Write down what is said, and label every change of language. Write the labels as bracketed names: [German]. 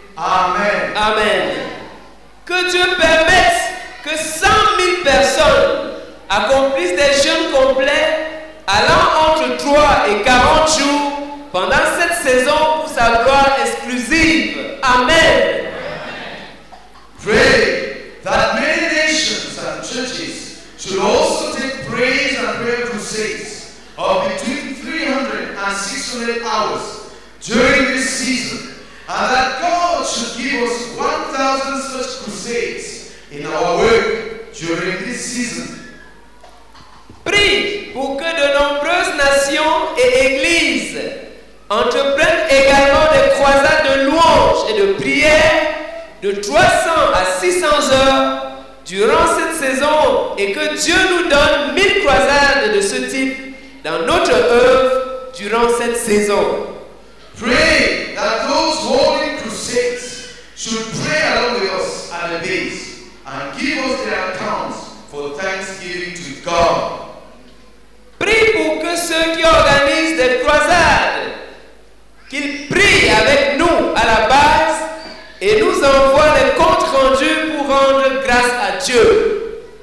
[French] Amen. Amen. Que Dieu permette que 100 000 personnes accomplissent des jeûnes complets allant entre 3 et 40 jours pendant cette saison pour sa gloire exclusive. Amen. [English] Pray that many nations and churches should also take praise and prayer crusades of between 300 and 600 hours during this season, and that God should give us 1,000 such crusades in our work during this season. [French] Prie pour que de nombreuses nations et églises entreprennent également des croisades de louanges et de prières de 300 à 600 heures durant cette saison et que Dieu nous donne 1000 croisades de ce type dans notre œuvre durant cette saison. [English] Pray that those holy crusades should pray along with us at a base and give us their accounts for thanksgiving to God. [French] Prie pour que ceux qui organisent des croisades, qu'ils prient avec nous à la base et nous envoient des comptes rendus pour rendre grâce à Dieu.